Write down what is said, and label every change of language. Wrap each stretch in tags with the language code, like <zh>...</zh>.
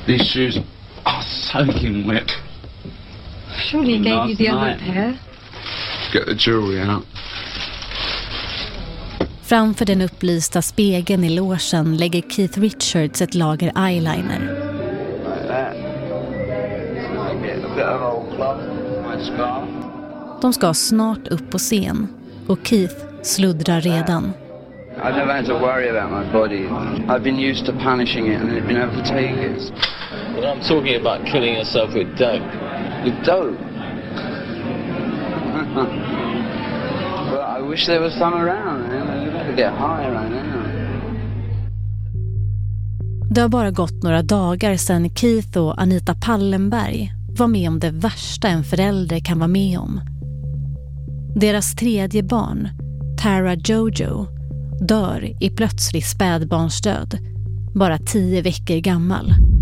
<en>These shoes are soaking wet. Surely he gave you the other pair. Get the jewelry out.</en> <sv>Framför den upplysta spegeln i logen lägger Keith Richards ett lager eyeliner. De ska snart upp på scen och Keith sluddrar redan.</sv> <en>I've never had to worry about my body. I've been used to punishing it and it's been overtaken. But I'm talking about killing yourself with dope. With dope? But I wish there was some around, man. You'd have to get high right now.</en> <sv>Det har bara gått några dagar sedan Keith och Anita Pallenberg var med om det värsta en förälder kan vara med om. Deras tredje barn, Tara Jojo, dör i plötslig spädbarnsdöd, bara 10 veckor gammal.</sv>